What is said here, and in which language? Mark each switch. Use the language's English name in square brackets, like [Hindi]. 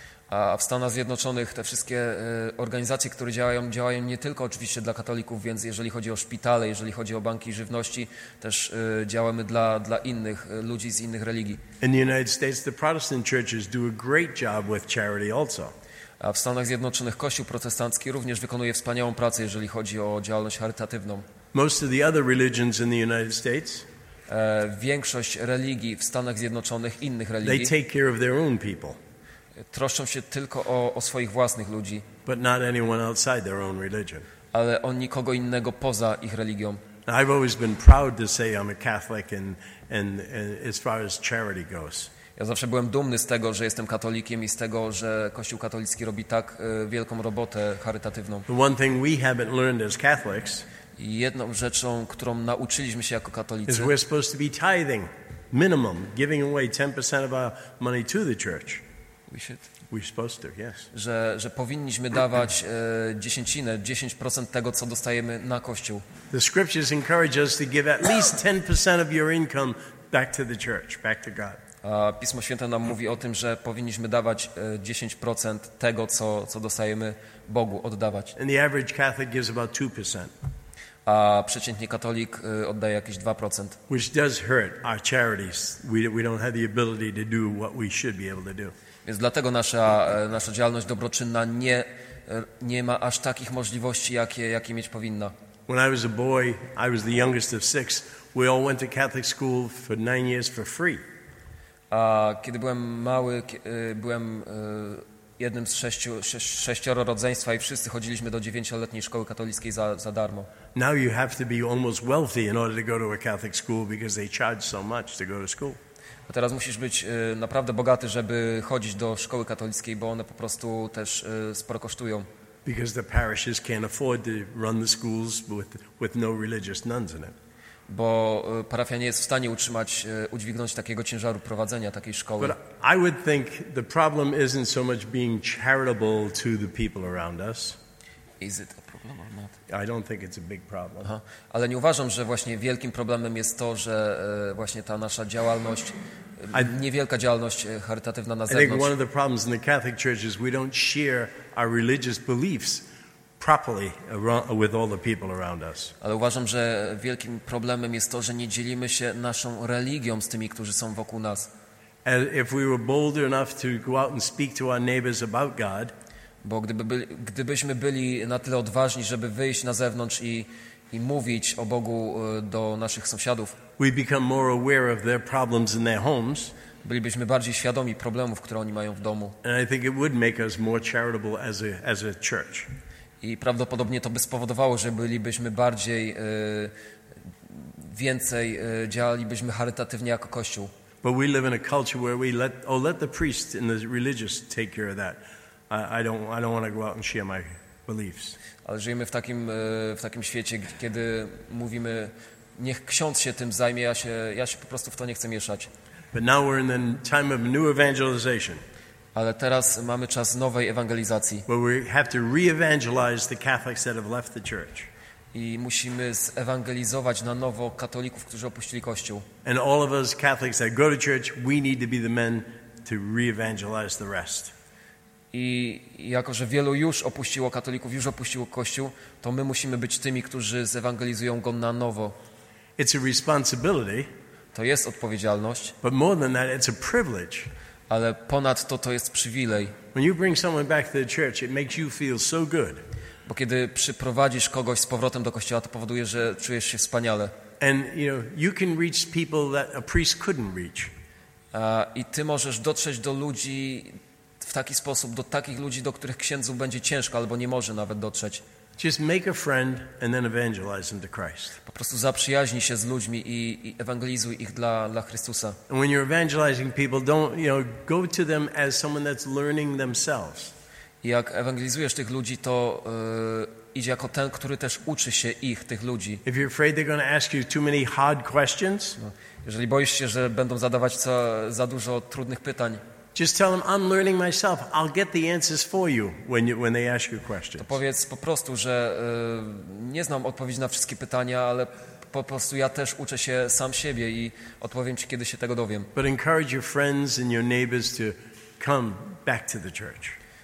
[Polish] A w Stanach Zjednoczonych te wszystkie organizacje, które działają nie tylko oczywiście dla katolików, więc jeżeli chodzi o szpitale, jeżeli chodzi o banki żywności, też działamy dla innych ludzi z innych religii. [English] In the United States, the Protestant churches do a great job with charity also. [Polish] A w Stanach Zjednoczonych Kościół protestancki również wykonuje wspaniałą pracę, jeżeli chodzi o działalność charytatywną. [English] Most of the other religions in the United States, [Polish] większość religii w Stanach Zjednoczonych, innych religii, [English] they take care of their own people. [Polish] Troszczą się tylko o swoich własnych ludzi. [English] But not anyone outside their own religion. [Polish] Ale o nikogo innego poza ich religią. [English] Now, I've always been proud to say I'm a Catholic and as far as charity goes. [Polish] Ja zawsze byłem dumny z tego, że jestem katolikiem i z tego, że Kościół katolicki robi tak wielką robotę charytatywną. [English] One thing we haven't learned as Catholics, [Polish] jedną rzeczą, którą nauczyliśmy się jako katolicy, [English] is we're supposed to be tithing, minimum, giving away 10% of our money to the church. We should. We're supposed to, yes. [Polish] Że powinniśmy dawać dziesięcinę, 10% tego, co dostajemy na Kościół. [English] The scriptures encourage us to give at least 10% of your income back to the church, back to God. [Polish] A Pismo Święte nam mówi o tym, że powinniśmy dawać 10% tego, co dostajemy Bogu, oddawać. [English] And the average Catholic gives about 2%. [Polish] A przeciętnie katolik oddaje jakieś 2%. [English] Which does hurt our charities. We don't have the ability to do what we should be able to do. [Polish] Więc dlatego nasza działalność dobroczynna nie ma aż takich możliwości, jakie mieć powinna. [English] When I was a boy, I was the youngest of six. We all went to Catholic school for 9 years for free. [Polish] A kiedy byłem mały, byłem jednym z sześcioro rodzeństwa i wszyscy chodziliśmy do 9-letniej szkoły katolickiej za darmo. [English] Now you have to be almost wealthy in order to go to a Catholic school because they charge so much to go to school. [Polish] A teraz musisz być naprawdę bogaty, żeby chodzić do szkoły katolickiej, bo one po prostu też sporo kosztują. [English] because the parishes can't afford to run the schools with no religious nuns in it. [Polish] Bo parafia nie jest w stanie utrzymać, udźwignąć takiego ciężaru prowadzenia takiej szkoły. [English] But I would think the problem isn't so much being charitable to the people around us. Is it a problem or not? I don't think it's a big problem. Aha. [Polish] Ale nie uważam, że właśnie wielkim problemem jest to, że właśnie ta nasza działalność, niewielka działalność charytatywna na zewnątrz. [English] I think one of the problems in the Catholic Church is we don't share our religious beliefs properly with all the people around us. [Polish] Ale uważam, że wielkim problemem jest to, że nie dzielimy się naszą religią z tymi, którzy są wokół nas. [English] And if we were bold enough to go out and speak to our neighbors about God, [Polish] bo gdybyśmy byli na tyle odważni, żeby wyjść na zewnątrz i mówić o Bogu do naszych sąsiadów, [English] we become more aware of their problems in their homes. [Polish] Bylibyśmy bardziej świadomi problemów, które oni mają w domu. [English] And I think it would make us more charitable as a church. [Polish] I prawdopodobnie to by spowodowało, że bylibyśmy bardziej, więcej działalibyśmy charytatywnie jako Kościół. [English] But we live in a culture where we let the priest and the religious take care of that. I don't want to go out and share my beliefs. [Polish] Ale żyjemy w takim świecie, kiedy mówimy, niech ksiądz się tym zajmie, ja się po prostu w to nie chcę mieszać. [English] But now we're in the time of new evangelization. [Polish] Ale teraz mamy czas nowej ewangelizacji. [English] Where we have to re-evangelize the Catholics that have left the church. [Polish] I musimy zewangelizować na nowo katolików, którzy opuścili Kościół. [English] And all of us Catholics that go to church, we need to be the men to re-evangelize the rest. [Polish] I jako, że wielu już opuściło katolików, już opuściło Kościół, to my musimy być tymi, którzy zewangelizują go na nowo. [English] It's a responsibility. [Polish] To jest odpowiedzialność. [English] But more than that, it's a privilege. [Polish] Ale ponad to jest przywilej. [English] When you bring someone back to the church, it makes you feel so good. [Polish] Bo kiedy przyprowadzisz kogoś z powrotem do kościoła, to powoduje, że czujesz się wspaniale. [English] And you know, you can reach people that a priest couldn't reach. [Polish] I ty możesz dotrzeć do ludzi w taki sposób, do takich ludzi, do których księdzu będzie ciężko albo nie może nawet dotrzeć. [English] Just make a friend and then evangelize them to Christ. [Polish] Po prostu zaprzyjaźnij się z ludźmi i ewangelizuj ich dla Chrystusa. [English] And when you're evangelizing people, don't, you know, go to them as someone that's learning themselves. [Polish] Jak ewangelizujesz tych ludzi, to idź jako ten, który też uczy się ich, tych ludzi. [English] If you're afraid they're going to ask you too many hard questions, no, [Polish] jeżeli boisz się, że będą zadawać za dużo trudnych pytań, [English] just tell them, I'm learning myself. I'll get the answers for you when they ask you questions. [Polish] To powiedz po prostu, że nie znam odpowiedzi na wszystkie pytania, ale po prostu ja też uczę się sam siebie i odpowiem ci, kiedy się tego dowiem. [English] But encourage your friends and your neighbors to come back to the church.